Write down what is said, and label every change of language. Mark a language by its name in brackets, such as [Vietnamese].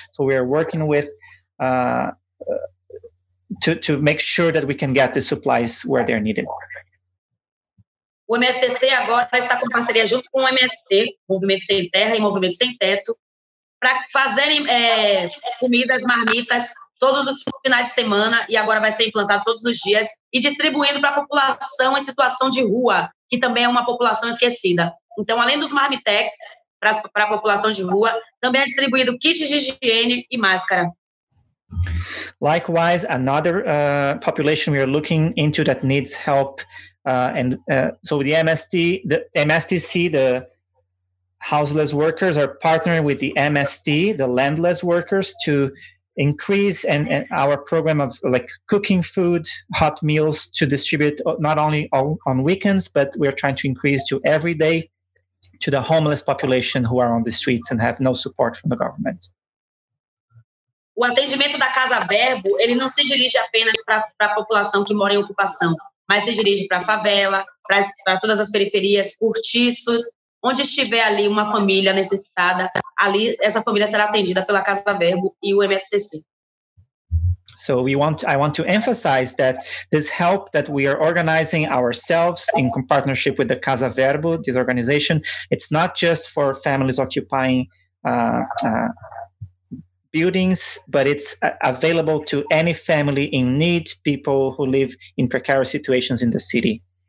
[English] So we are working with to make sure that we can get the supplies where they're needed. [Portuguese] O MSTC agora está com parceria junto com o MST, Movimento Sem Terra e Movimento Sem Teto, para fazerem comidas, marmitas, todos os finais de semana, e agora vai ser implantado todos os dias, e distribuindo para a população em situação de rua, que também é uma população esquecida. Então, além dos marmitex para a população de rua, também é distribuído kits de higiene e máscara. [English] Likewise, another population we are looking into that needs help, so the MSTC, the houseless workers are partnering with the MST, the landless workers, to increase and our program of like cooking food, hot meals to distribute not only on weekends, but we are trying to increase to every day to the homeless population who are on the streets and have no support from the government. [Portuguese] O atendimento da Casa Verbo, ele não se dirige apenas para a população que mora em ocupação, mas se dirige para a favela, para todas as periferias, cortiços. Onde estiver ali uma família necessitada, ali essa família será atendida pela Casa Verbo e o MSTC. [English] So I want to emphasize that this help that we are organizing ourselves in partnership with the Casa Verbo, this organization, it's not just for families occupying buildings, but it's available to any family in need, people who live in precarious situations in the city.